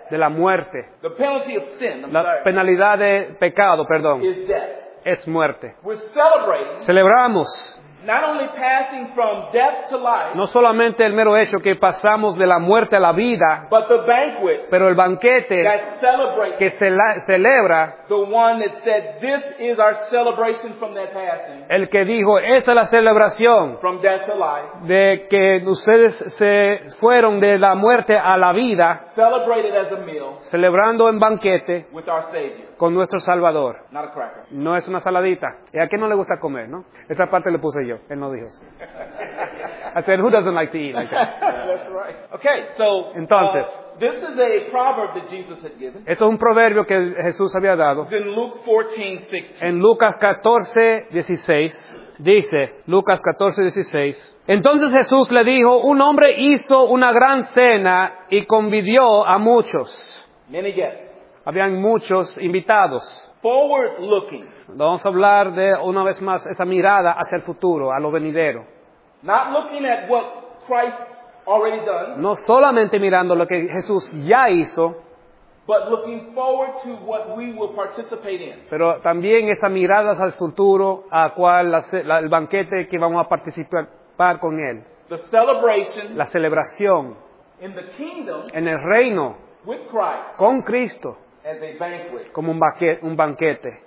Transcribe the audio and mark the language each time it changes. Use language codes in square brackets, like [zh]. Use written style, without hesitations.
[es] De la muerte. [en] The penalty of sin. [es] La penalidad de pecado, perdón. [en] Is death. [es] Es muerte. [en] We're celebrating. [es] Celebramos. [en] Not only passing from death to life, [es] no solamente el mero hecho que pasamos de la muerte a la vida, [en] but the banquet, [es] pero el banquete [en] that celebrates, [es] que celebra, [en] the one that said, "This is our celebration from that passing." [es] El que dijo, esa es la celebración [en] from death to life, [es] de que ustedes se fueron de la muerte a la vida, [en] celebrated as a meal, [es] celebrando en banquete [en] with our Savior. [es] Con nuestro Salvador. [en] Not a cracker. [es] No es una saladita. ¿Y a quién no le gusta comer, no? Esa parte le puse yo. Él no dijo eso. [en] I said, who doesn't like to eat like that? That's right. Okay, so, [es] entonces, [en] this is a proverb that Jesus had given. [es] Esto es un proverbio que Jesús había dado. [en] In Luke 14, 16. [es] En Lucas 14, 16. Dice, Lucas 14, 16. Entonces Jesús le dijo, un hombre hizo una gran cena y convidó a muchos. [en] Many guests. [es] Habían muchos invitados. [en] Forward looking. [es] Vamos a hablar de una vez más esa mirada hacia el futuro, a lo venidero. [en] Not looking at what Christ's already done. [es] No solamente mirando lo que Jesús ya hizo, [en] but looking forward to what we will participate in. [es] Pero también esa mirada hacia el futuro, a cual el banquete que vamos a participar con él. [en] The celebration. [es] La celebración. [en] In the kingdom. [es] En el reino. [en] With Christ, [es] con Cristo, [en] as a banquet, [es] como un banquete,